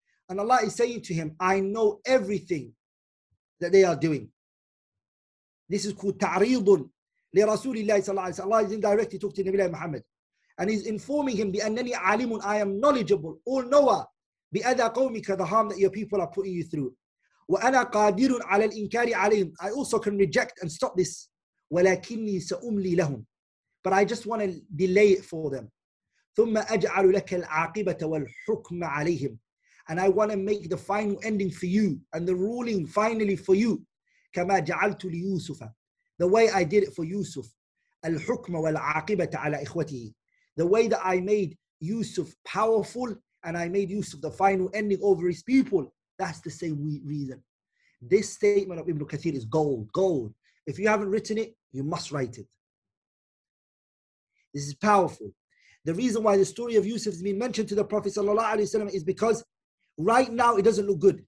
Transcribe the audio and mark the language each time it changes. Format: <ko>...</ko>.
<en>And Allah is saying to him, I know everything that they are doing. This is called ta'ridun li rasulillahi sallallahu alayhi wa sallam. Allah is indirectly talking to Nabilah Muhammad. And he's informing him,</en> <ar>بأنني عالم,</ar> <en>I am knowledgeable, all knower,</en> <ar>بأذى قومك,</ar> <en>the harm that your people are putting you through.</en> <ar>وأنا قادر على الإنكار عليهم.</ar> <en>I also can reject and stop this.</en> <ar>ولكني سأملي لهم.</ar> <en>But I just want to delay it for them.</en> <ar>ثم أجعل لك العاقبة والحكم عليهم.</ar> <en>And I want to make the final ending for you and the ruling finally for you.</en> <ar>كما جعلت</ar> <en>ليوسف. The way I did it for Yusuf.</en> <ar>الحكم والعاقبة على إخوته.</ar> <en>The way that I made Yusuf powerful and I made Yusuf the final ending over his people, that's the same reason. This statement of Ibn Kathir is gold, gold. If you haven't written it, you must write it. This is powerful. The reason why the story of Yusuf has been mentioned to the Prophet sallallahu alaihi wasallam is because right now it doesn't look good.</en>